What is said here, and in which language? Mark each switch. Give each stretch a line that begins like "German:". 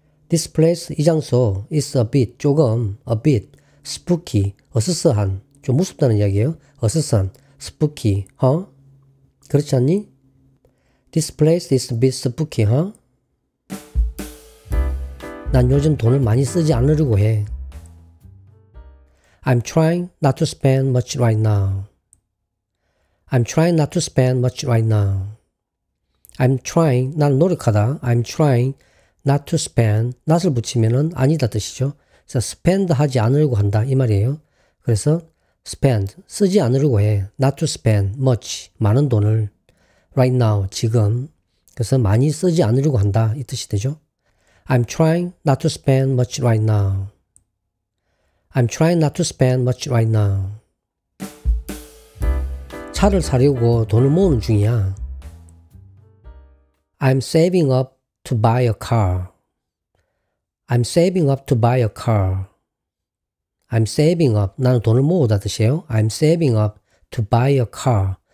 English: This place,
Korean: 이 장소,
English: is a bit, 조금, a bit, spooky,
Korean: 어스스한, 좀 무섭다는 이야기예요. 어스스한, spooky, huh? 그렇지 않니?
English: This place is a bit spooky, huh?
Korean: 난 요즘 돈을 많이 쓰지 않으려고 해.
English: I'm trying not to spend much right now. I'm trying not to spend much right now. I'm trying,
Korean: 난 노력하다.
English: I'm trying not to spend,
Korean: not을 붙이면은 아니다 뜻이죠. 그래서 spend 하지 않으려고 한다 이 말이에요. 그래서 spend, 쓰지 않으려고 해.
English: Not to spend much,
Korean: 많은 돈을.
English: Right now, 지금.
Korean: 그래서 많이 쓰지 않으려고 한다 이 뜻이 되죠.
English: I'm trying not to spend much right now. I'm trying not to spend much right now.
Korean: 차를 사려고 돈을 모으는 중이야.
English: I'm saving up to buy a car. I'm saving up to buy a car. I'm saving up.
Korean: 나는 돈을 모으다 뜻이에요.
English: I'm saving up to buy a car.